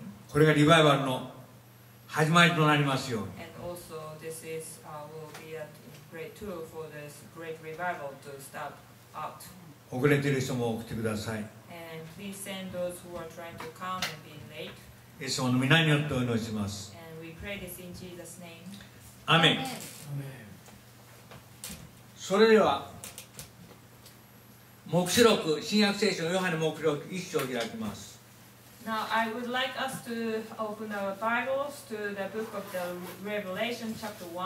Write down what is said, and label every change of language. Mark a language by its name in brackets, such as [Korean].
[Japanese] これがリバイバルの始まりとなりますように。 [English] Also, this is will be a great tool for this great revival to start out. [Japanese] 遅れてる人も送ってください。 [English] And please send those who are trying to come and being late. [Japanese] イエス様の名によってお祈りします。 [English] And we pray this in Jesus' name. Amen. Amen. [Japanese] それでは黙示録新約聖書ヨハネ黙示録一章を開きます。 [English] Now I would like us to open our Bibles to the book of the Revelation chapter